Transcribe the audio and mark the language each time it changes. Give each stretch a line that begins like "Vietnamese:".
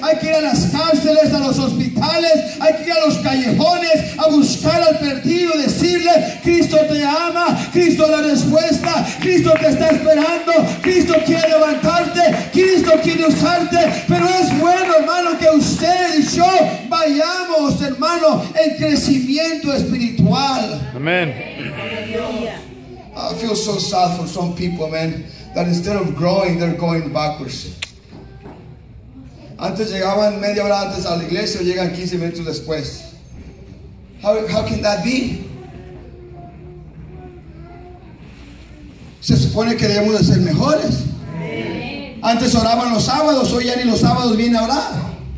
Spanish: Hay que ir a las cárceles, a los hospitales. Hay que ir a los callejones a buscar al perdido, decirle: Cristo te ama, Cristo la respuesta, Cristo te está esperando, Cristo quiere levantarte, Cristo quiere usarte. Pero es bueno, hermano, que usted y yo vayamos, hermano, en crecimiento espiritual. Amen.
English: I feel so sad for some people, man, that instead of growing, they're going backwards.
Spanish: Antes llegaban media hora antes a la iglesia, llegan 15 minutos después.
English: How can that be?
Spanish: Se supone que debemos de ser mejores. Antes oraban los sábados, hoy ya ni los sábados viene a orar.